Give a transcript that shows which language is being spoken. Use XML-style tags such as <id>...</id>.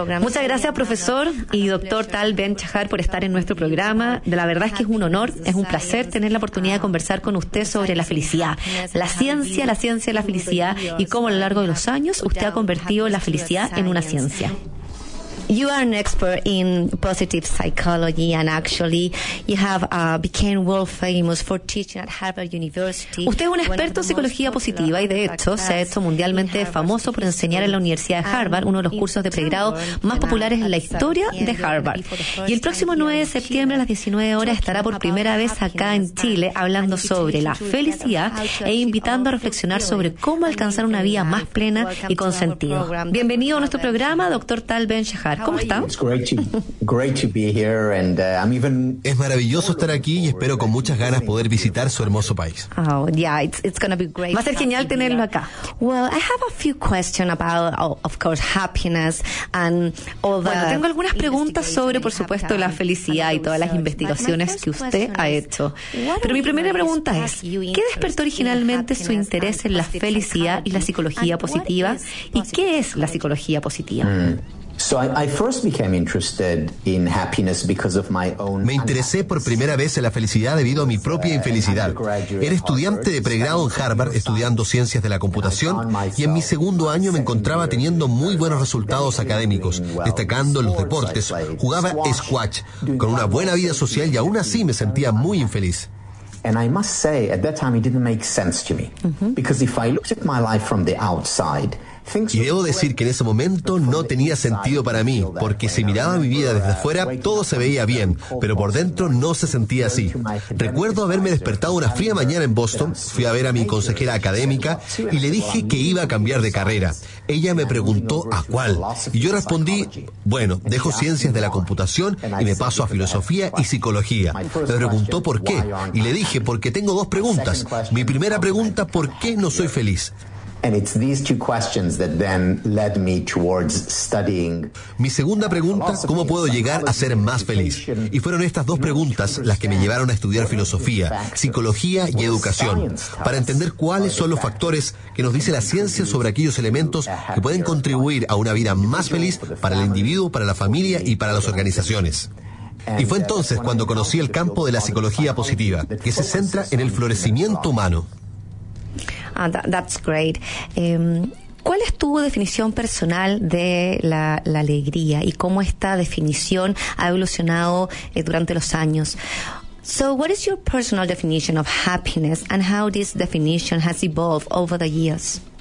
<es>Muchas gracias, profesor y doctor Tal Ben Chahar, por estar en nuestro programa. La verdad es que es un honor, es un placer tener la oportunidad de conversar con usted sobre la felicidad, la ciencia de la felicidad, y cómo a lo largo de los años usted ha convertido la felicidad en una ciencia.</es> <en>You are an expert in positive psychology, and actually you have became world famous for teaching at Harvard University.</en> <es>Usted es un experto en psicología positiva y de hecho se ha hecho mundialmente famoso por enseñar en la Universidad de Harvard, uno de los cursos de pregrado más populares en la historia de Harvard. Y el próximo 9 de septiembre a las 19 horas estará por primera vez acá en Chile hablando sobre la felicidad e invitando a reflexionar sobre cómo alcanzar una vida más plena y con sentido. Bienvenido a nuestro programa, doctor Tal Ben Chahar. ¿Cómo están? Es maravilloso estar aquí y espero con muchas ganas poder visitar su hermoso país.</es> <en>Oh, yeah, it's gonna be great.</en> <es>Va a ser genial tenerlo acá.</es> <en>Well, I have a few questions about, of course, happiness and all the.</en> <es>Bueno, tengo algunas preguntas sobre, por supuesto, la felicidad y todas las investigaciones que usted ha hecho. Pero mi primera pregunta es: ¿qué despertó originalmente su interés en la felicidad y la psicología positiva? ¿Y qué es la psicología positiva? Me interesé por primera vez en la felicidad debido a mi propia infelicidad. Era estudiante de pregrado en Harvard, estudiando ciencias de la computación, y en mi segundo año me encontraba teniendo muy buenos resultados académicos, destacando en los deportes, jugaba squash, con una buena vida social, y aún así me sentía muy infeliz.</es> <en>And I must say, at that time, it didn't make sense to me. Because if I looked at my life from the outside,</en> <es>y debo decir que en ese momento no tenía sentido para mí, porque si miraba mi vida desde afuera, todo se veía bien, pero por dentro no se sentía así. Recuerdo haberme despertado una fría mañana en Boston, fui a ver a mi consejera académica y le dije que iba a cambiar de carrera. Ella me preguntó a cuál, y yo respondí, bueno, dejo ciencias de la computación y me paso a filosofía y psicología. Me preguntó por qué, y le dije, porque tengo dos preguntas. Mi primera pregunta, ¿por qué no soy feliz?</es> <en>And it's these two questions that then led me towards studying.</en> <es>Mi segunda pregunta, ¿cómo puedo llegar a ser más feliz? Y fueron estas dos preguntas las que me llevaron a estudiar filosofía, psicología y educación, para entender cuáles son los factores que nos dice la ciencia sobre aquellos elementos que pueden contribuir a una vida más feliz para el individuo, para la familia y para las organizaciones. Y fue entonces cuando conocí el campo de la psicología positiva, que se centra en el florecimiento humano.</es> <en>Ah, that's great.</en> <es>¿Cuál es tu definición personal de la alegría y cómo esta definición ha evolucionado durante los años?</es> <en>So, what is your personal definition of happiness and how this definition has evolved over the years?</en>